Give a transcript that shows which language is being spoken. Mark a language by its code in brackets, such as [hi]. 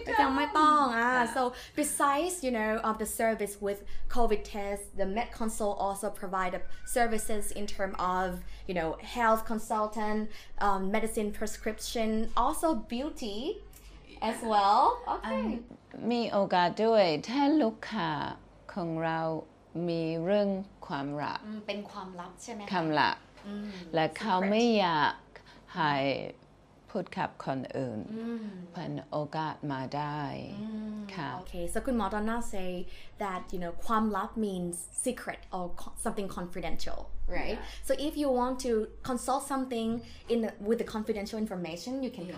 [th] ยังไม่ต้อง [en] so besides you know of the service with COVID test the med console also provide services in term of you know health consultant medicine prescription also beauty as well okay [th] มีโอกาสด้วยถ้าลูกค้าของเรามีเรื่องความลับ เป็นความลับใช่ไหม ความลับและเขาไม่อยากให้พูดกับคนอื่นเป็นโอกาสมาได้ค่ะ [en] โอเค so คุณหมอดอนน่า say that you know [th] ความลับ [en] means secret or something confidential right yeah. so if you want to consult something in the, with the confidential information you can yeah.